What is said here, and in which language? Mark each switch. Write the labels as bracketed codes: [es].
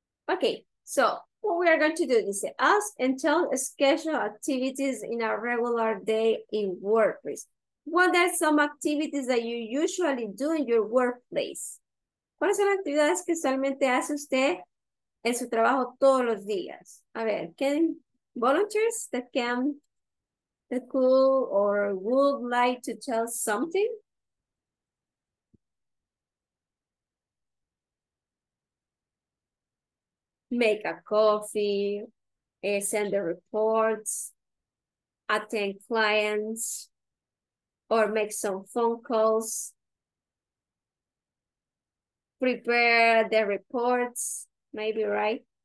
[en] Okay, so what we are going to do is ask and tell schedule activities in a regular day in workplace. What are some activities that you usually do in your workplace? [es] ¿Cuáles son las actividades que usualmente hace usted en su trabajo todos los días? A ver, [en] can volunteers that can, that could or would like to tell something? Make a coffee, send the reports, attend clients, or make some phone calls, prepare the reports, maybe, right?